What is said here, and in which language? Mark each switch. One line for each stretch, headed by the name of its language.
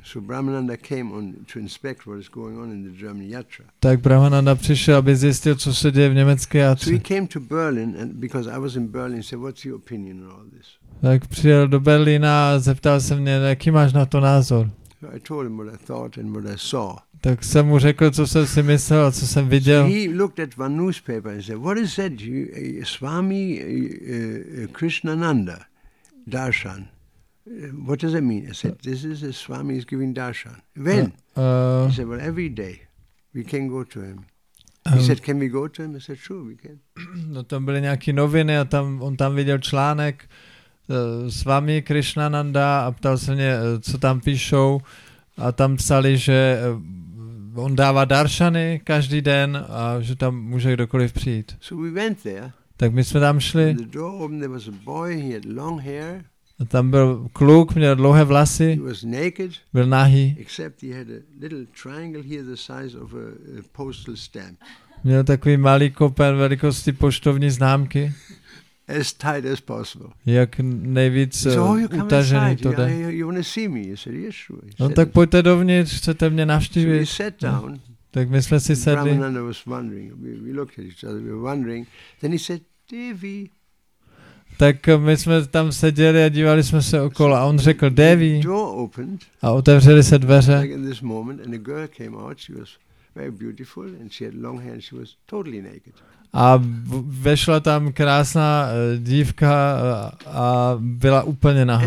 English: So Brahmananda came on to inspect what is going on in the German Yatra.
Czech: Tak Brahmananda přišel, aby zjistil, co se děje v německé Yatře.
English: So he came to Berlin and because I was in Berlin, said, what's your opinion on all this?
Czech: Tak přijel do Berlína a zeptal se mě, jaký máš na to názor.
English: So I told him what I thought and what I saw.
Czech: Tak jsem mu řekl, co jsem si myslel a co jsem viděl.
English: So he looked at one newspaper and said, what is that, Swami Krishnananda Darshan? What does it mean? I said, this is a Swami is giving darshan. When? He said, well, every day. We can go to him. He said, can we go to him? I said, sure, we can.
Czech: No, tam byly nějaké noviny a tam on tam viděl článek Swami Krishnananda a ptal se mě, co tam píšou. A tam psali, že on dává darshany každý den a že tam může kdokoliv přijít.
English: So we went there.
Czech: Tak my jsme tam šli.
English: The door opened, there was a boy, he had long hair.
Czech: A tam byl kluk, měl dlouhé vlasy.
English: He was naked.
Czech: Byl nahý.
English: Except he had a little triangle here the size of a postal stamp.
Czech: Měl takový malý kopen velikosti poštovní známky.
English: As tight as possible.
Czech: Jak nejvíc utažený to jde.
English: You want to see me? He said, yes, sure.
Czech: No tak pojďte dovnitř, chcete mě navštívit.
English: So we sat down.
Czech: Tak my jsme si sedli.
English: Brahmananda was wondering. We looked at each other, we were wondering. Then he said, Devi.
Czech: Tak my jsme tam seděli a dívali jsme se okolo a on řekl, Devi. A otevřeli se dveře.
English: In this moment, and a girl came out, she was very beautiful and she had long hair, she was totally naked.
Czech: A vešla tam krásná dívka a byla úplně nahá.